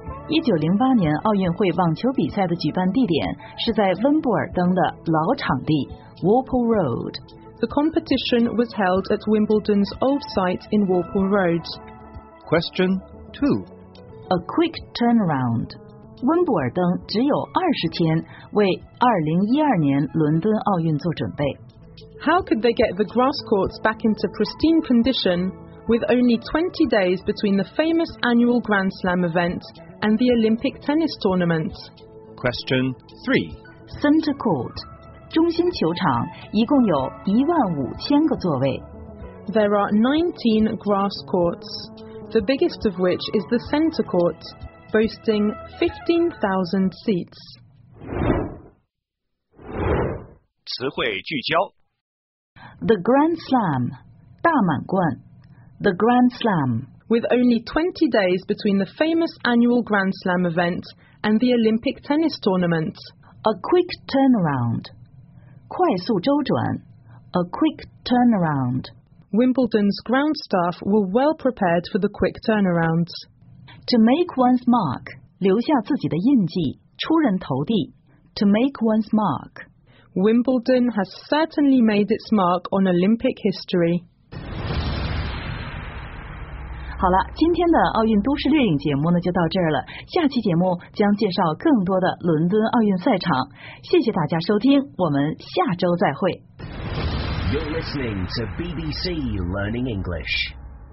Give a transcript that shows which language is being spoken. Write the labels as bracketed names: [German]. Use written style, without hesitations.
[Chinese] 1908年奥运会网球比赛的举办地点是在温布尔登的老场地 Warple Road. [English] The competition was held at Wimbledon's old site in Warple Road. Question 2. A quick turnaround. [Chinese] 温布尔登只有20天为2012年伦敦奥运做准备。 [English] How could they get the grass courts back into pristine condition with only 20 days between the famous annual Grand Slam event and the Olympic tennis tournament? Question 3. Center court. [Chinese] 中心球场一共有15,000个座位。 [English] There are 19 grass courts, the biggest of which is the center court. Boasting 15,000 seats. [Chinese] 词汇聚焦 [English] The Grand Slam, 大满贯 The Grand Slam. With only 20 days between the famous annual Grand Slam event and the Olympic tennis tournament. A quick turnaround. 快速周转 A quick turnaround. Wimbledon's ground staff were well prepared for the quick turnaround. [Chinese] To make one's mark, 留下自己的印记，出人头地。 [English] To make one's mark. Wimbledon has certainly made its mark on Olympic history. [Chinese] 好了，今天的奥运都市掠影节目呢就到这儿了。下期节目将介绍更多的伦敦奥运赛场。谢谢大家收听，我们下周再会。 [English] You're listening to BBC Learning English.